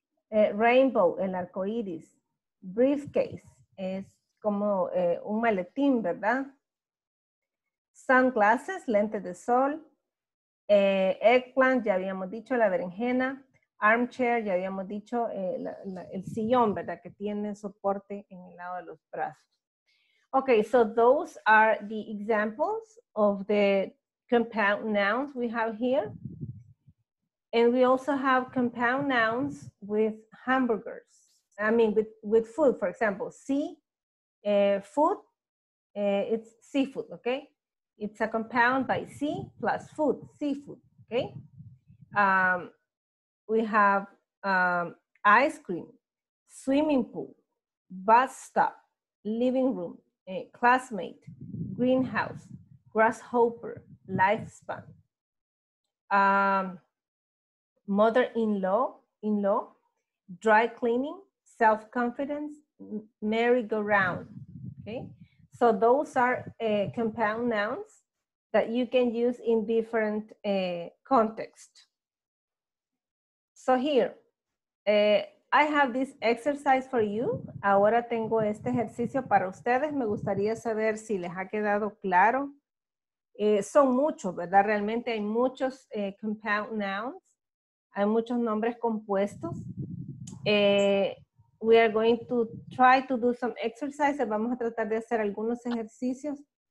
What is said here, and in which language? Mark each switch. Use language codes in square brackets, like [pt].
[es] Rainbow, el arco iris. Briefcase, es como un maletín, ¿verdad? Sunglasses, lentes de sol. Eggplant, ya habíamos dicho, la berenjena. Armchair, ya habíamos dicho, el sillón, ¿verdad? Que tiene soporte en el lado de los brazos. [en] Okay, so those are the examples of the compound nouns we have here. And we also have compound nouns with hamburgers. I mean, with food, for example. See, food, It's seafood, okay? It's a compound by sea plus food, seafood, okay? We have ice cream, swimming pool, bus stop, living room, classmate, greenhouse, grasshopper, lifespan. Mother-in-law, in-law, dry cleaning, self-confidence, merry-go-round, okay? So those are compound nouns that you can use in different context. So here, I have this exercise for you. [es] Ahora tengo este ejercicio para ustedes. Me gustaría saber si les ha quedado claro. Son muchos, ¿verdad? Realmente hay muchos compound nouns. Hay muchos nombres compuestos. [en] We are going to try to do some exercises. [es] Vamos a tratar de hacer algunos ejercicios.